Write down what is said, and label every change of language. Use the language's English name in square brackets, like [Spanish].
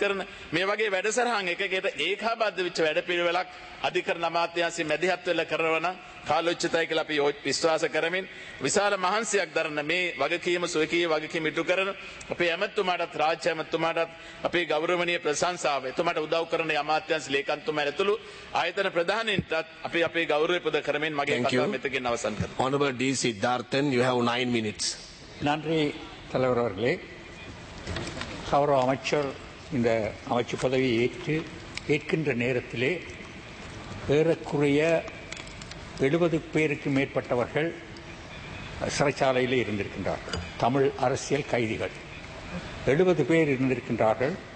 [Sinhala] කරන මේ වගේ වැඩසටහන් එකකට ඒකාබද්ධ වෙච්ච වැඩපිළිවෙලක් අධිකරණ අමාත්‍ය අංශය මැදිහත් වෙලා කරනවා කාලෝචිතයි කියලා අපි විශ්වාස කරමින් විශාල මහන්සියක් දරන මේ වගකීම සුවකී වගකීම ඉටු කරන අපේ ඇමතුමාටත් රාජ්‍ය ඇමතුමාටත් අපේ ගෞරවනීය ප්‍රශංසාව එතුමාට උදව් කරන අමාත්‍යංශ ලේකම්තුමාට ඇතුළු ආයතන ප්‍රධානීන්ටත් අපි අපේ ගෞරවය පුද කරමින් මගේ කතාව මෙතකින් අවසන් කරනවා. [English] Honorable D. Siddharthan, you have 9 minutes. [Tamil] நன்றி தலைவர் அவர்களே. கௌரவ அமைச்சர் இந்த அமைச்சு பதவி ஏற்று கேட்கின்ற நேரத்திலே ஏறக்குறைய 70 பேருக்கு மேற்பட்டவர்கள் சிறைச்சாலையில் இருந்திருக்கின்றார்கள். தமிழ் அரசியல் கைதிகள் 70 பேர் இருந்திருக்கின்றார்கள்.